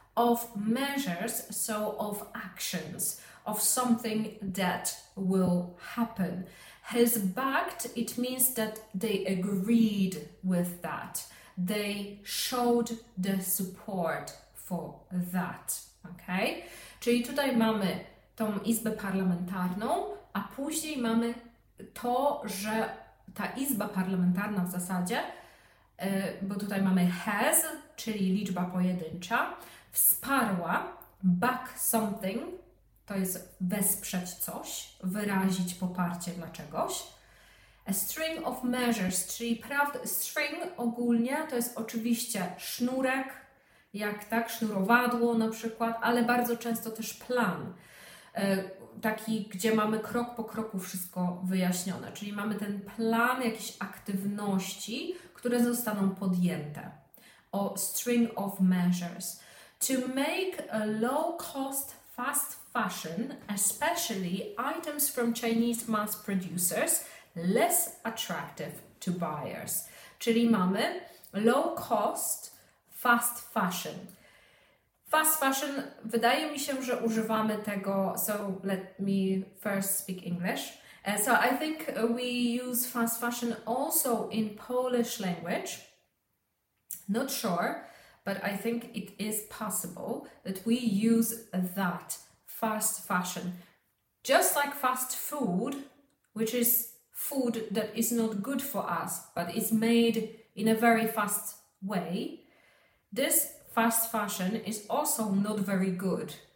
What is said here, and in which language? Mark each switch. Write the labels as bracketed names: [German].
[English] Of measures, so of actions, of something that will happen. Has backed, it means that they agreed with that. They showed the support for that, okay? [Polish] Czyli tutaj mamy tą Izbę Parlamentarną, a później mamy to, że ta Izba Parlamentarna w zasadzie, bo tutaj mamy has, czyli liczba pojedyncza, wsparła, [English] back something, [Polish] to jest wesprzeć coś, wyrazić poparcie dla czegoś. [English] A string of measures, [Polish] czyli string ogólnie to jest oczywiście sznurek, jak tak, sznurowadło na przykład, ale bardzo często też plan, taki, gdzie mamy krok po kroku wszystko wyjaśnione, czyli mamy ten plan jakichś aktywności, które zostaną podjęte. [English] O string of measures. To make a low cost fast fashion, especially items from Chinese mass producers, less attractive to buyers. [Polish] Czyli mamy low cost fast fashion. Fast fashion, wydaje mi się, że używamy tego, [English] so let me first speak English. So I think we use fast fashion also in Polish language. Not sure, but I think it is possible that we use that fast fashion. Just like fast food, which is food that is not good for us, but is made in a very fast way, this fast fashion is also not very good.